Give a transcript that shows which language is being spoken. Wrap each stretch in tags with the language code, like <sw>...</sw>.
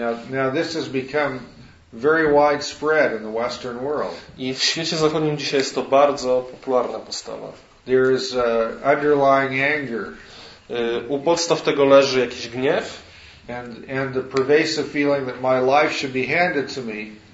<en>Now this has become very widespread in the Western world.</en> <pl>I w świecie zachodnim dzisiaj jest to bardzo popularna postawa.</pl> <en>There is underlying anger.</en> <pl>U podstaw tego leży jakiś gniew.</pl> <en>And the pervasive feeling that my life should be handed to me.</en>